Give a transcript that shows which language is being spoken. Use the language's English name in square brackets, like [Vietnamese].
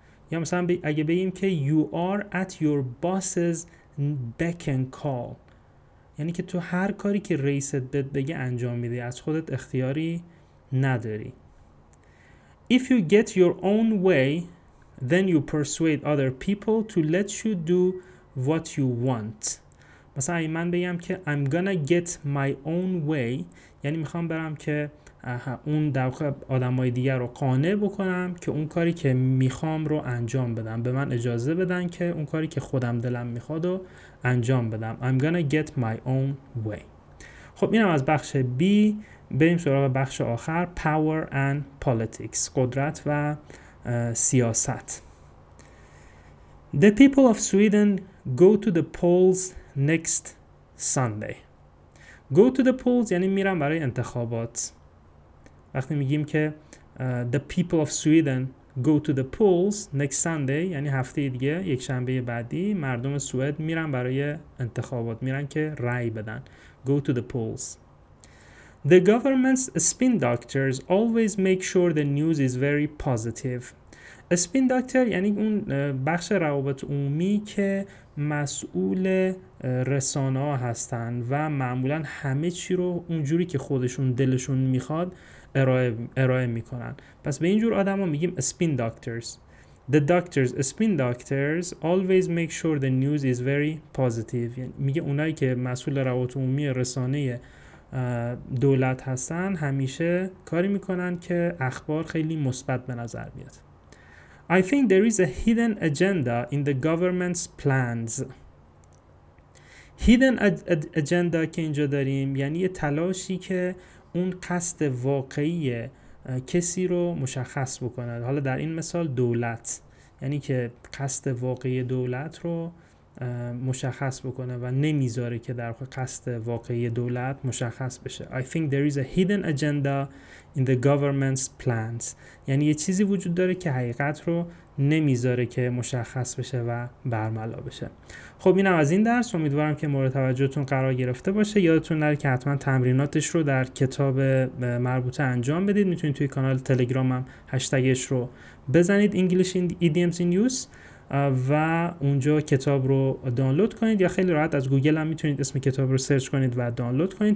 [Persian] یا مثلا اگه بگیم که [English] you are at your boss's beck and call، [Persian] یعنی که تو هر کاری که رئیست بهت بگه انجام میدی، از خودت اختیاری نداری. [English] If you get your own way, then you persuade other people to let you do what you want. [Persian] مثلا اگه من بگم که [English] I'm gonna get my own way، [Persian] یعنی میخوام برم که اون در واقع آدمای دیگر رو قانع بکنم که اون کاری که میخوام رو انجام بدم، به من اجازه بدن که اون کاری که خودم دلم میخواد رو انجام بدم. [English] I'm gonna get my own way. [Persian] خب اینم از بخش B. بریم سراغ بخش آخر، Power and Politics، قدرت و سیاست. [English] The people of Sweden go to the polls next Sunday. [Persian] Go to the polls یعنی میرن برای انتخابات. وقتی میگیم که [English] the people of Sweden go to the polls next Sunday، [Persian] یعنی هفته دیگه، یک شنبه بعدی، مردم سوئد میرن برای انتخابات، میرن که رأی بدن. [English] Go to the polls. The government's spin doctors always make sure the news is very positive. [Persian] اسپین داکتر یعنی اون بخش روابط عمومی که مسئول رسانه‌ها هستن و معمولا همه چی رو اونجوری که خودشون دلشون میخواد ارائه میکنن. پس به اینجور آدم ها میگیم اسپین داکترز. [English] The doctors, spin doctors always make sure the news is very positive. [Persian] یعنی میگه اونایی که مسئول روابط عمومی رسانه دولت هستن همیشه کاری میکنن که اخبار خیلی مثبت به نظر بیاد. [English] I think there is a hidden agenda in the government's plans. [Persian] Hidden agenda که اینجا داریم یعنی یه تلاشی که اون قصد واقعی کسی رو مشخص بکنه. حالا در این مثال دولت، یعنی که قصد واقعی دولت رو مشخص بکنه و نمیذاره که در قصد واقعی دولت مشخص بشه. [English] I think there is a hidden agenda in the government's plans. [Persian] یعنی یه چیزی وجود داره که حقیقت رو نمیذاره که مشخص بشه و برملا بشه. خب اینم از این درس، امیدوارم که مورد توجهتون قرار گرفته باشه. یادتون نره که حتما تمریناتش رو در کتاب مربوطه انجام بدید. میتونید توی کانال تلگرامم هشتگش رو بزنید English Idioms in Use و اونجا کتاب رو دانلود کنید، یا خیلی راحت از گوگل هم میتونید اسم کتاب رو سرچ کنید و دانلود کنید.